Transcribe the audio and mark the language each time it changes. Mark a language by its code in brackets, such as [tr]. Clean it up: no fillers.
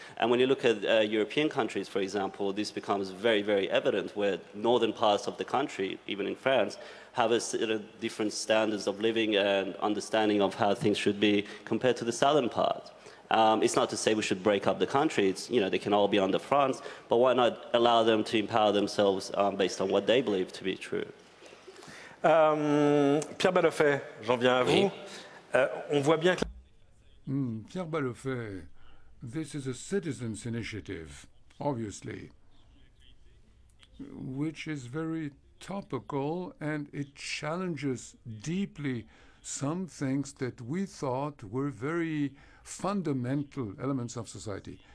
[en] And when you look at European countries, for example, this becomes very, very evident, where northern parts of the country, even in France, have a sort of different standards of living and understanding of how things should be compared to the southern part. It's not to say we should break up the country. It's, you know, they can all be under France, but why not allow them to empower themselves based on what they believe to be true? [fr] Pierre Ballofet, j'en viens à vous. On voit bien que... [en] Pierre Ballofet, this is a citizen's initiative, obviously, which is very topical, and it challenges deeply some things that we thought were very fundamental elements of society.